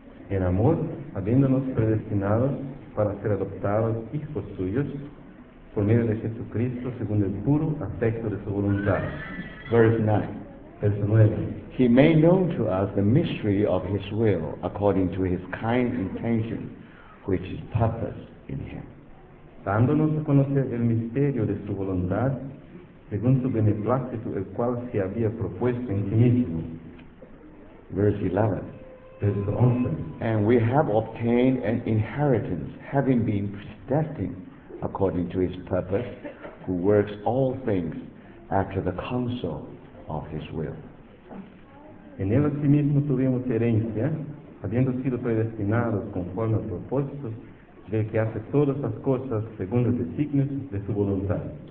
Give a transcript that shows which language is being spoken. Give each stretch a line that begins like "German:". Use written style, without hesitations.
Spanish: En amor, habiéndonos predestinados para ser adoptados hijos suyos, por medio de Jesucristo, según el puro afecto de su voluntad.
English: Verse 9. He made known to us the mystery of his will according to his kind intention, which is purpose in him.
Spanish: Dándonos a conocer el misterio de su voluntad, según su beneplácito, el cual se había propuesto en sí mismo.
English: Verse 11. And we have obtained an inheritance, having been predestined according to his purpose, who works all things after the counsel of his will.
Spanish: En él asimismo tuvimos herencia, habiendo sido predestinados conforme al propósito del que hace todas las cosas según los designios de su voluntad.